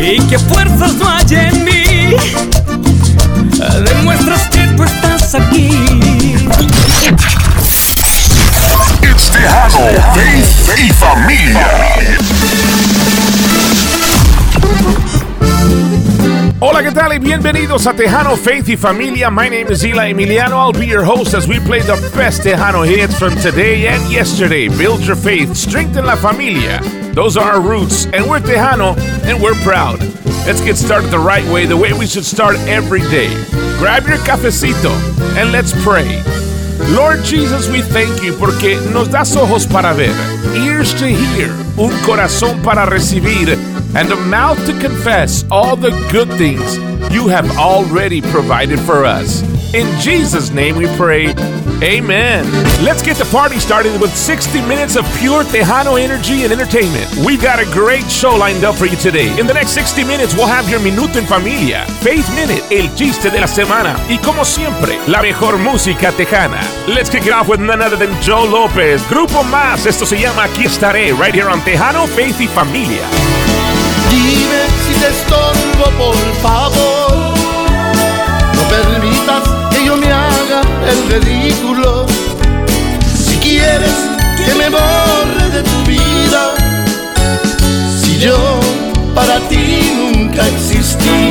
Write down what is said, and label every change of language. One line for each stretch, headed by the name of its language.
Spanish: Que fuerzas no hay en mí, demuestras que tú estás aquí.
English: It's Tejano, Faith y Familia.
Spanish: Hola, ¿qué tal? Y bienvenidos a Tejano, Faith y Familia.
English: My name is Eli Emiliano. I'll be your host as we play the best Tejano hits from today and yesterday. Build your faith, strengthen
Spanish: la familia.
English: Those are our roots, and we're Tejano, and we're proud. Let's get started the right way, the way we should start every day. Grab your cafecito, and let's pray. Lord Jesus, we thank you
Spanish: porque nos das ojos para ver,
English: ears to hear,
Spanish: un corazón para recibir,
English: and a mouth to confess all the good things you have already provided for us. In Jesus' name we pray. Amen. Let's get the party started with 60 minutes of pure Tejano energy and entertainment. We've got a great show lined up for you today. In the next 60 minutes, we'll have your Minuto en Familia, Faith Minute, El Chiste de la Semana,
Spanish: y como siempre, la mejor música tejana.
English: Let's kick it off with none other than Joe Lopez.
Spanish: Grupo Más, esto se llama Aquí Estaré,
English: right here on
Spanish: Tejano, Faith y Familia. Dime si te estorbo, por favor. No permitas que yo me haga el ridículo. Si quieres que me borre de tu vida, si yo para ti nunca existí.